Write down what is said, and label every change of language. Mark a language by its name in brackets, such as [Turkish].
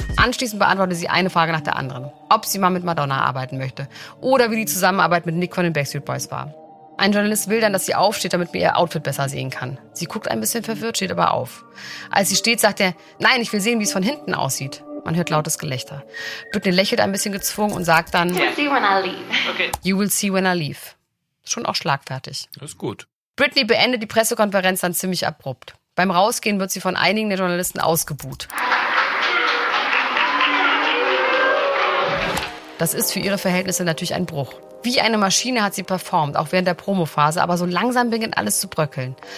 [German] Anschließend beantwortet sie eine Frage nach der anderen. Ob sie mal mit Madonna arbeiten möchte. Oder wie die Zusammenarbeit mit Nick von den Backstreet Boys war. Ein Journalist will dann, dass sie aufsteht, damit man ihr Outfit besser sehen kann. Sie guckt ein bisschen verwirrt, steht aber auf. Als sie steht, sagt er: Nein, ich will sehen, wie es von hinten aussieht. Man hört lautes Gelächter. Britney lächelt ein bisschen gezwungen und sagt dann: [English] You will see when I leave. Okay. You will see when I leave. [German] Schon auch schlagfertig. Das ist gut. Britney beendet die Pressekonferenz dann ziemlich abrupt. Beim Rausgehen wird sie von einigen der Journalisten ausgebuht. Das ist für ihre Verhältnisse natürlich ein Bruch. Wie eine Maschine hat sie performt, auch während der Promophase, aber so langsam beginnt alles zu bröckeln.